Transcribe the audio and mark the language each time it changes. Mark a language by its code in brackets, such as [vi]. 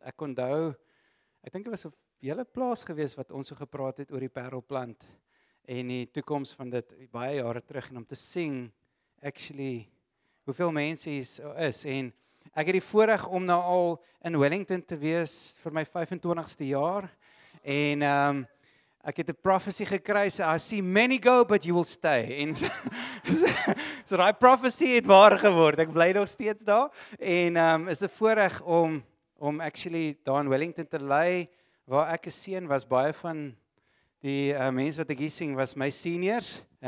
[af] Ek onthou, ek dink dit was op julle plaas gewees wat ons so gepraat het oor die parelplant en die toekoms van dit baie jare terug en om te sien actually hoeveel mense hier is en ek het die voorreg om nou al in Wellington te wees vir my 25ste jaar en ek het 'n prophecy gekry, [en] so I see many go, but you will stay. [af] En so daai prophecy het waar geword, ek bly nog steeds daar. En is 'n voorreg om actually daar in Wellington te lei, waar ek 'n seun was, baie van die mense wat ek hier sien, was my seniors.